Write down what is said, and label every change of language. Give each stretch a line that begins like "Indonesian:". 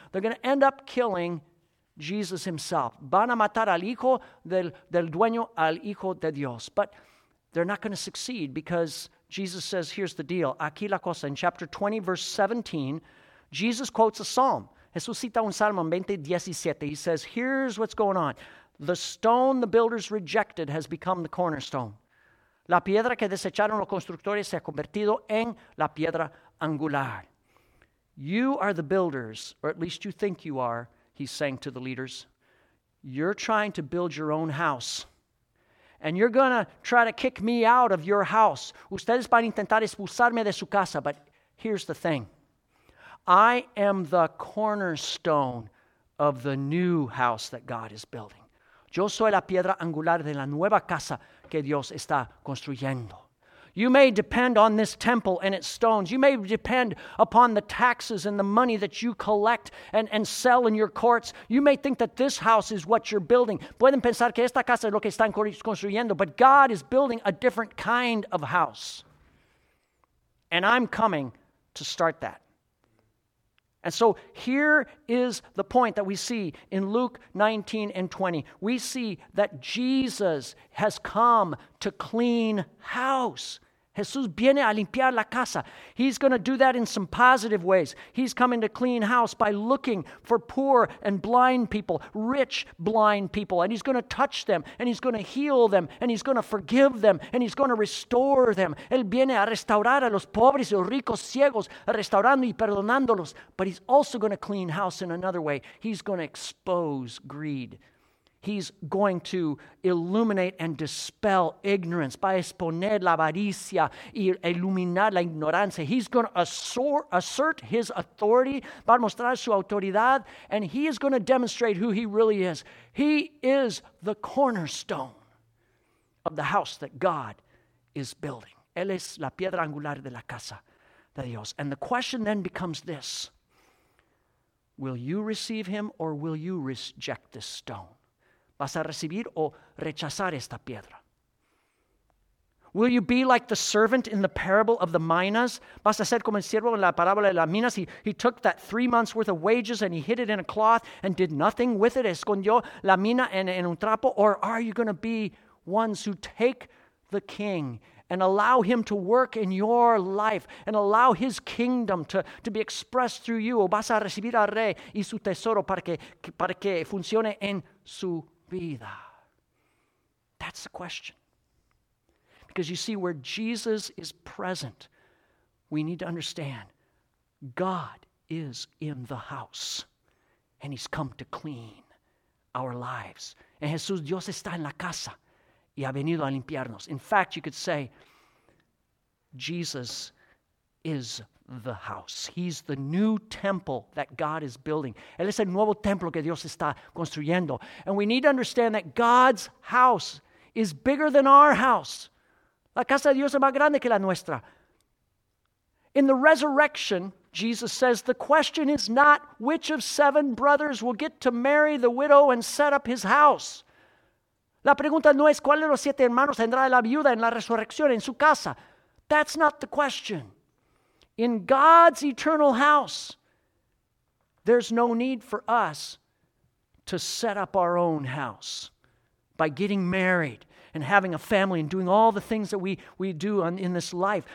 English: They're going to end up killing Jesus himself.
Spanish: Van a matar al hijo del dueño, al hijo de Dios.
English: But they're not going to succeed because Jesus says, here's the deal.
Spanish: Aquí la cosa.
English: In chapter 20, verse 17, Jesus quotes a psalm.
Spanish: Jesús cita un salmo en 20:17.
English: He says, here's what's going on. The stone the builders rejected has become the cornerstone.
Spanish: La piedra que desecharon los constructores se ha convertido en la piedra angular.
English: You are the builders, or at least you think you are, he's saying to the leaders. You're trying to build your own house. And you're going to try to kick me out of your house.
Spanish: Ustedes van a intentar expulsarme de su casa.
English: But here's the thing. I am the cornerstone of the new house that God is building.
Spanish: Yo soy la piedra angular de la nueva casa que Dios está construyendo.
English: You may depend on this temple and its stones. You may depend upon the taxes and the money that you collect and sell in your courts. You may think that this house is what you're building.
Spanish: Pueden pensar que esta casa es lo que están construyendo.
English: But God is building a different kind of house. And I'm coming to start that. And so here is the point that we see in Luke 19 and 20. We see that Jesus has come to clean house.
Spanish: Jesús viene a limpiar la casa.
English: He's going to do that in some positive ways. He's coming to clean house by looking for poor and blind people, rich blind people, and he's going to touch them, and he's going to heal them, and he's going to forgive them, and he's going to restore them.
Spanish: Él viene a restaurar a los pobres y los ricos ciegos, restaurando y perdonándolos.
English: But he's also going to clean house in another way. He's going to expose greed. He's going to illuminate and dispel ignorance by
Spanish: exponer la avaricia y iluminar la ignorancia.
English: He's going to assert his authority,
Spanish: va a mostrar su autoridad,
English: and he is going to demonstrate who he really is. He is the cornerstone of the house that God is building.
Spanish: Él es la piedra angular de la casa de Dios.
English: And the question then becomes this: will you receive him or will you reject this stone?
Spanish: ¿Vas a recibir o rechazar esta piedra?
English: Will you be like the servant in the parable of the minas?
Spanish: ¿Vas a ser como el siervo en la parábola de las minas?
English: He took that 3 months worth of wages and he hid it in a cloth and did nothing with it.
Spanish: Escondió la mina en un trapo.
English: Or are you going to be ones who take the king and allow him to work in your life and allow his kingdom to be expressed through you?
Spanish: ¿O vas a recibir al rey y su tesoro para que funcione en su vida?
English: That's the question. Because you see, where Jesus is present, we need to understand God is in the house and he's come to clean our lives.
Spanish: En Jesús, Dios está en la casa y ha venido a limpiarnos.
English: In fact, you could say Jesus is the house. He's the new temple that God is building.
Spanish: Él es el nuevo templo que Dios está construyendo.
English: And we need to understand that God's house is bigger than our house.
Spanish: La casa de Dios es más grande que la nuestra.
English: In the resurrection, Jesus says, the question is not which of 7 brothers will get to marry the widow and set up his house.
Spanish: La pregunta no es cuál de los 7 hermanos tendrá la viuda en la resurrección en su casa.
English: That's not the question. In God's eternal house, there's no need for us to set up our own house by getting married and having a family and doing all the things that we do in this life.